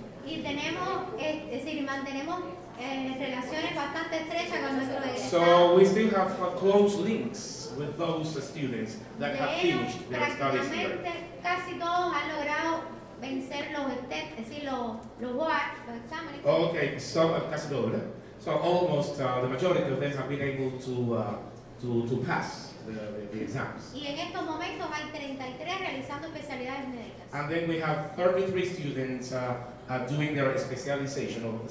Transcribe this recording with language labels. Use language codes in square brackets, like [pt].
[es] Y tenemos, es decir, mantenemos relaciones bastante estrechas con nuestros. [en] So we still have close links with those students that have finished their studies here. [es] Casi todos han logrado vencer los test, es decir, los exámenes. [en] Okay, almost the majority of them have been able to pass the exams. [es] Y en estos momentos hay 33 realizando especialidades médicas. [en] And then we have 33 students doing their specialization.